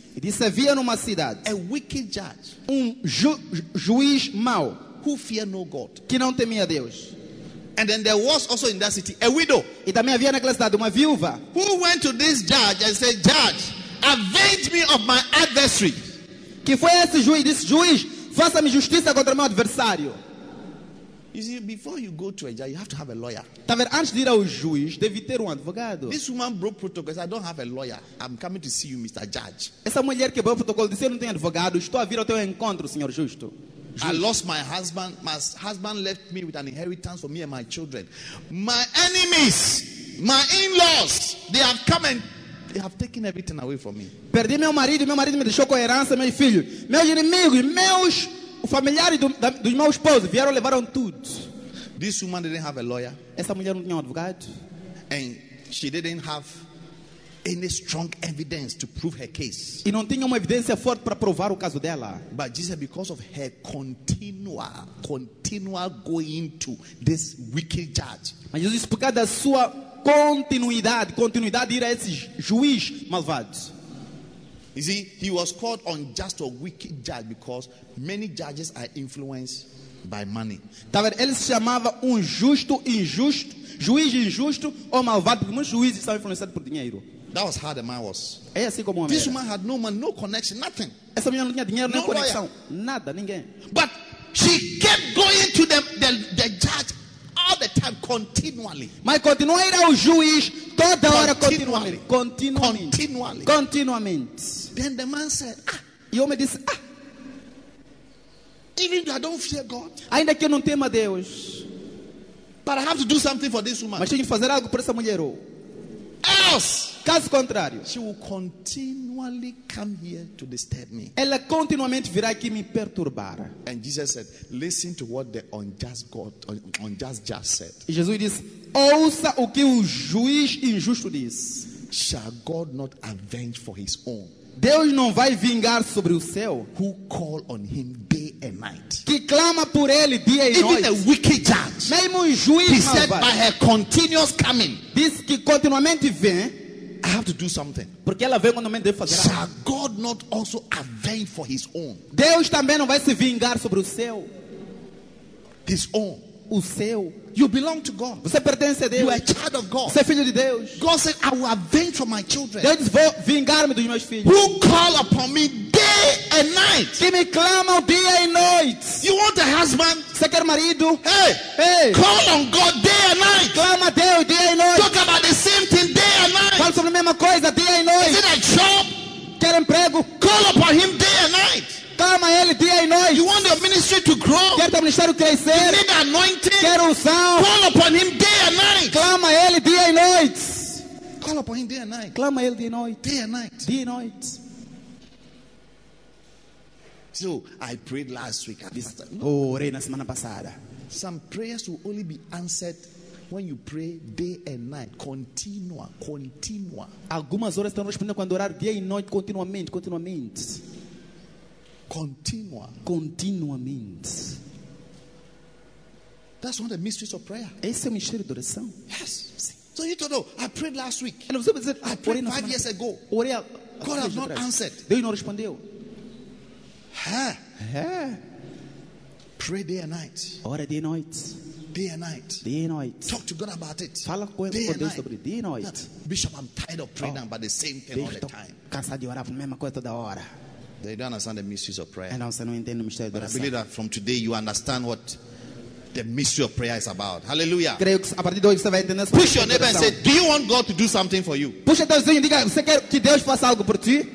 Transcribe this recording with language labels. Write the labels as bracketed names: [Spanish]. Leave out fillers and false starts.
[Portuguese] E disse, havia numa cidade. [English] A wicked judge. [Portuguese] Juiz mau. [English] Who feared no God. [Portuguese] Que não temia Deus. [English] And then there was also in that city a widow. [Portuguese] E também havia naquela cidade uma viúva. [English] Who went to this judge and said, judge, avenge me of my adversary. [Portuguese] Que foi esse juiz? Disse, juiz, faça-me justiça contra meu adversário. [English] You see, before you go to a judge, you have to have a lawyer. [Portuguese] Tá vendo? Antes de ir ao juiz, deve ter advogado. [English] This woman broke protocol. I don't have a lawyer. I'm coming to see you, Mr. Judge. [Portuguese] Essa mulher quebrou o protocolo, disse: "Eu não tenho advogado, estou a vir ao teu encontro, senhor justo." [English] I lost my husband. My husband left me with an inheritance for me and my children. My enemies, my in-laws, they have come and they have taken everything away from me. [Portuguese] Perdi meu marido me deixou com a herança, meus filhos, meus inimigos, meus familiares dos meus esposos vieram levaram tudo. [English] This woman didn't have a lawyer. [Portuguese] Essa mulher não tinha advogado. [English] And she didn't have any strong evidence to prove her case. [Portuguese] E não tinha uma evidência forte para provar o caso dela. [English] But Jesus, because of her continual going to this wicked judge. [Portuguese] Mas Jesus, por causa da sua continuidade ir a esse juiz malvado. [English] You see, he was called unjust or wicked judge because many judges are influenced by money. [Portuguese] Tá vendo? Ele se chamava justo, injusto, juiz injusto ou malvado, porque muitos juízes são influenciados por dinheiro. [English] That was how the man was. [Portuguese] É assim como [English] this woman had no money, no connection, nothing. [Portuguese] Essa mulher não tinha dinheiro, nem conexão, nada, ninguém. [English] But she kept going to the judge all the time, continually. [Portuguese] Mas continuou a ir ao juiz toda hora, continuamente. [English] Then the man said, [Portuguese] e o homem disse, [English] even though I don't fear God, [Portuguese] ainda que eu não tema Deus, [English] but I have to do something for this woman. [Portuguese] Mas tenho que fazer algo para essa mulher. [English] Else, [Portuguese] caso contrário, [English] she will continually come here to disturb me. [Portuguese] Ela continuamente virá aqui me perturbar. [English] And Jesus said, listen to what the unjust God, unjust just said. [Portuguese] E Jesus disse, ouça o que o juiz injusto diz. [English] Shall God not avenge for his own? [Portuguese] Deus não vai vingar sobre o seu. [English] Who call on him day and night? [Portuguese] Que clama por ele dia e noite. [English] Even a wicked judge. [Portuguese] Mesmo um juiz malvado. [English] He said by her continuous coming. [Portuguese] Diz que continuamente vem. [English] I have to do something. [Portuguese] Porque ela vem quando eu devo fazer algo. [English] Shall God not also avenge for his own? [Portuguese] Deus também não vai se vingar sobre o seu. [English] His own. [Portuguese] O seu. [English] You belong to God. [Portuguese] Você pertence a Deus. [English] You are a child of God. [Portuguese] Você é filho de Deus. [English] God said, I will avenge for my children. [Portuguese] Deus vou vingar-me dos meus filhos. [English] Who call upon me day and night? [Portuguese] Que me clama dia e noite. [English] You want a husband? [Portuguese] Você quer marido? [English] Hey! Call on God day and night. [Portuguese] Clama a Deus dia e noite. [English] Talk about the same thing day and night. [Portuguese] Fala sobre a mesma coisa dia e noite. [English] Is it a job? [Portuguese] Quer emprego? [English] Call upon him day and night. [Portuguese] Clama ele dia e noite. [English] You want your ministry to grow? [Portuguese] Quer teu ministério crescer? [English] You need anointing? [Portuguese] Quer unção? [English] Call upon him day and night. [Portuguese] Clama ele dia e noite. [English] Call upon him day and night. [Portuguese] Clama ele dia e noite. [English] Day and night. [Portuguese] Dia e noite. [English] So I prayed last week. [Portuguese] Orei na semana passada. [English] Some prayers will only be answered when you pray day and night, [Portuguese] continua. Algumas orações estão respondendo quando orar dia e noite continuamente. Continuamente. [English] That's one of the mysteries of prayer. [Portuguese] Esse é o mistério da oração. [English] Yes. So you don't know. I prayed last week. And [Portuguese] você dizer, [English] I prayed 5 years ago. [Portuguese] Orei. [English] God has not answered. [Portuguese] Deus não respondeu. [English] Huh? Pray day and night. [Portuguese] Ora dia e noite. [English] Day and night. Day and night. Talk to God about it. [Portuguese] Fala com Deus [English] night. [Portuguese] Sobre [English] day and night. Bishop, I'm tired of praying about the same thing [Portuguese] Deus [English] all the time. [Portuguese] Cansado de orar por mesma coisa toda hora. [English] They don't understand the mysteries of prayer. [Portuguese] Não, não entendo o mistério da oração. [English] I believe that from today you understand what the mystery of prayer is about. Hallelujah. [Portuguese] Creio que a partir de hoje você vai entender. [English] Push your neighbor and say, do you want God to do something for you? [Portuguese] Puxa teu vizinho e diga, você quer que Deus faça algo por ti?